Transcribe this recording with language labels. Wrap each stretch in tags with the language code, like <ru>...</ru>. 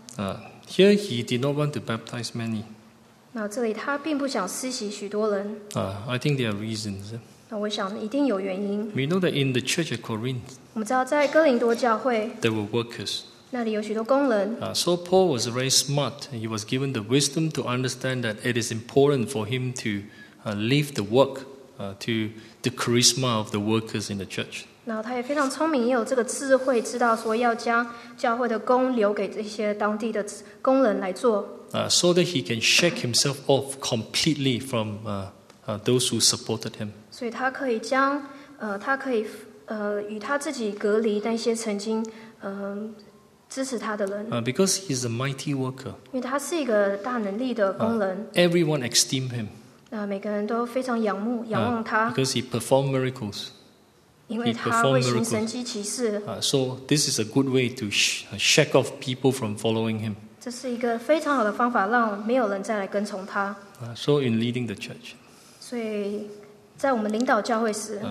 <en>Here he did not want to baptize many.</en> <zh>那这里他并不想施洗许多人。</zh> <en>I think there are reasons.</en> <zh>那我想一定有原因。</zh> <en>We know that in the church at Corinth.</en> <zh>我们知道在哥林多教会。</zh> <en>There were workers.</en> <zh>那里有许多工人。</zh> <en>So Paul was very smart. He was given the wisdom to understand that it is important for him to leave the work. To the charisma of the workers in the church.</en> <zh>那他也非常聪明，也有这个智慧，知道说要将教会的工留给这些当地的工人来做。</zh> <en>So that he can shake himself off completely from those who supported him.</en> <zh>所以他可以将他可以与他自己隔离那些曾经支持他的人。</zh> <en>Because he's a mighty worker.</en> <zh>因为他是一个大能力的工人。</zh> <en>Everyone esteemed him.</en> <zh>每个人都非常仰慕、仰望他。</zh> <en>Because he performed miracles.</en> <zh>因为他会行神迹奇事。</zh> <en>So this is a good way to shake off people from following him.</en> <zh>这是一个非常好的方法，让没有人再来跟从他。</zh> <en>So in leading the church.</en> <zh>所以在我们领导教会时</zh>